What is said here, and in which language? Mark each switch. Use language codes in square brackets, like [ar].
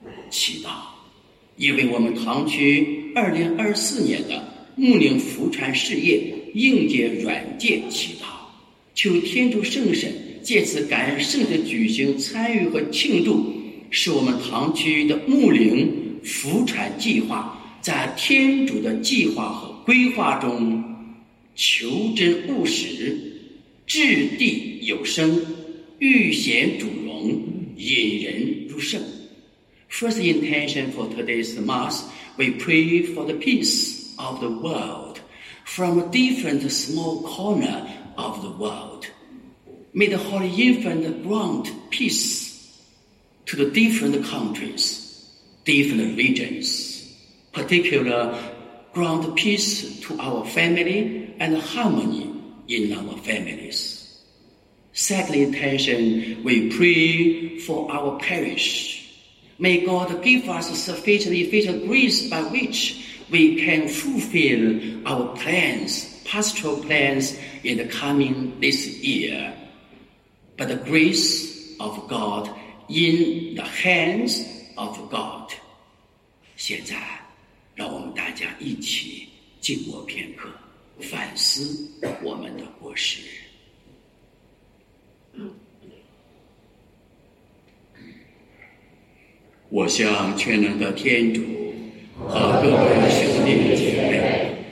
[zh] 祈祷，也为我们堂区2024年的牧灵福传事业应届软件祈祷，求天主圣神借此感恩圣的举行参与和庆祝，使我们堂区的牧灵福传计划在天主的计划和规划中求真务实，掷地有声，欲显主荣，引人入胜。 [en] First intention for today's mass, we pray for the peace of the world from a different small corner of the world. May the Holy Infant grant peaceTo the different countries, different regions, particular grant peace to our family and harmony in our families. Setting intention, we pray for our parish. May God give us sufficient effectual grace by which we can fulfill our plans, pastoral plans, in the coming this year. By the grace of God, in the hands of God. [zh] 现在让我们大家一起静默片刻，反思我们的过失。我向全能的天主和各位兄弟姐妹